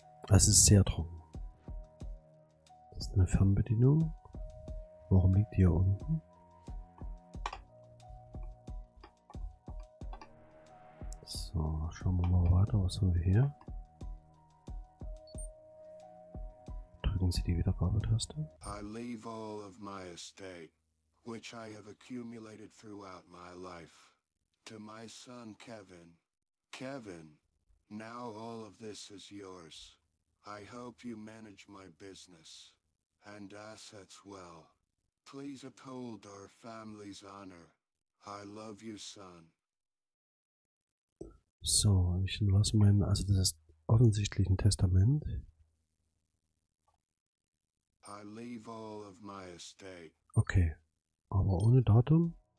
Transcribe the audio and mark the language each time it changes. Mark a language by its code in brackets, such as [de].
[de] Es ist sehr trocken. Das ist eine Fernbedienung. Warum liegt die hier unten? So, schauen wir mal weiter, was haben wir hier? Drücken Sie die Wiedergabetaste. [en] I leave all of my estate, which I have accumulated throughout my life, to my son Kevin. Kevin, now all of this is yours. I hope you manage my business and assets well. Please uphold our family's honor. I love you, son. [de] So, ich lasse mein, also das ist offensichtlich ein Testament. [en] I leave all of my estate. [de] Okay, aber ohne Datum.